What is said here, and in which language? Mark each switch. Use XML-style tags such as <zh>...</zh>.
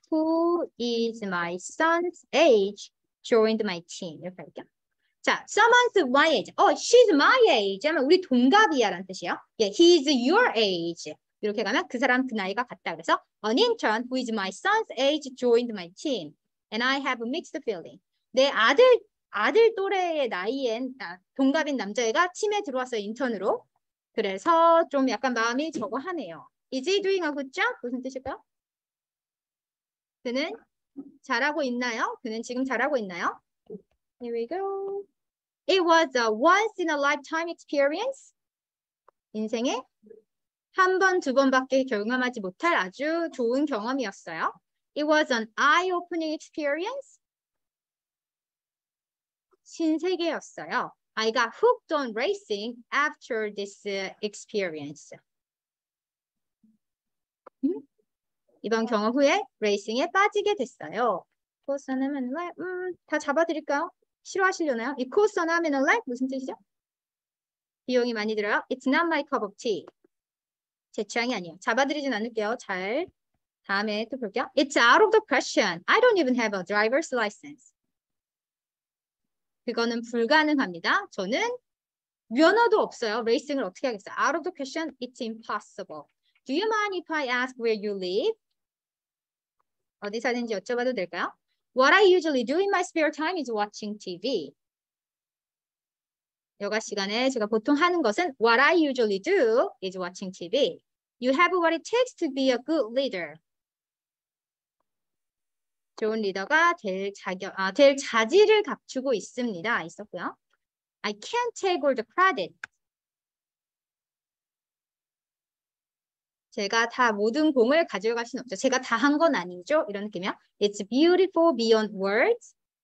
<en>Who is my son's age joined my team.</en> <ko>이렇게 할까? 자,</ko> <en>someone's my age. Oh, she's my age.</en> <ko>하면 우리 동갑이야 라는 뜻이에요.</ko> <en>Yeah, he's your age.</en> <ko>이렇게 가면 그 사람 그 나이가 같다. 그래서</ko> <en>an intern who is my son's age joined my team. And I have a mixed feeling.</en> <ko>내 아들 또래의 나이엔 동갑인 남자애가 팀에 들어왔어요. 인턴으로. 그래서 좀 약간 마음이 저거하네요.</ko> <en>Is he doing a good job?</en> <ko>무슨 뜻일까요? 그는 잘하고 있나요? 그는 지금 잘하고 있나요?</ko> <en>Here we go. It was a once in a lifetime experience.</en> <ko>인생에 한 번, 두 번밖에 경험하지 못할 아주 좋은 경험이었어요.</ko> <en>It was an eye-opening experience.</en> <ko>신세계였어요.</ko> <en>I got hooked on racing after this experience.</en> <ko>이번 경험 후에 레이싱에 빠지게 됐어요. 코스 하면 like 다 잡아드릴까요? 싫어하시려나요? 이 코스 하면 like 무슨 뜻이죠? 비용이 많이 들어요.</ko> <en>It's not my cup of tea.</en> <ko>제 취향이 아니에요. 잡아드리진 않을게요. 잘 다음에 또 볼게요.</ko> <en>It's out of the question. I don't even have a driver's license.</en> <ko>그거는 불가능합니다. 저는 면허도 없어요. 레이싱을 어떻게 하겠어요?</ko> <en>Out of the question, it's impossible. Do you mind if I ask where you live?</en> <ko>어디 사는지 여쭤봐도 될까요?</ko> <en>What I usually do in my spare time is watching TV.</en> <ko>여가 시간에 제가 보통 하는 것은</ko> <en>What I usually do is watching TV. You have what it takes to be a good leader.</en> <ko>좋은 리더가 될 자격, 될 자질을 갖추고 있습니다. 있었고요.</ko> <en>I can't take all the credit.</en> <ko>제가 다 모든 공을 가져갈 수는 없죠. 제가 다 한 건 아니죠. 이런 느낌이요.</ko> <en>It's beautiful beyond words.</en>